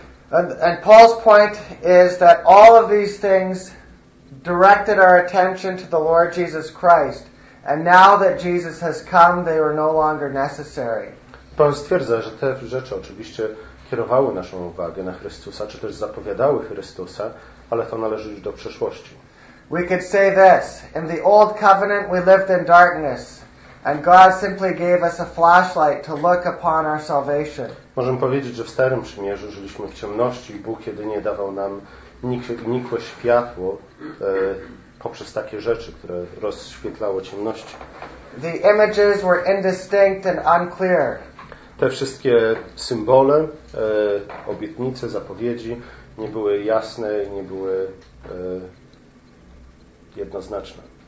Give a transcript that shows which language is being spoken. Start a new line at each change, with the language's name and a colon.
English: And Paul's point is that all of these things directed our attention to the Lord Jesus Christ, and now that Jesus has come, they were no longer necessary.
Polish: Paul stwierdza, że te rzeczy oczywiście kierowały naszą uwagę na Chrystusa, czy też zapowiadały Chrystusa, ale to należy już do przeszłości.
English: We could say this: in the old covenant, we lived in darkness, and God simply gave us a flashlight to look upon our salvation.
Polish: Możemy powiedzieć, że w Starym Przymierzu żyliśmy w ciemności i Bóg jedynie dawał nam nikłe światło poprzez takie rzeczy, które rozświetlało ciemności.
English: The images were indistinct and unclear.
Polish: Te wszystkie symbole, obietnice, zapowiedzi nie były jasne i nie były jednoznaczne.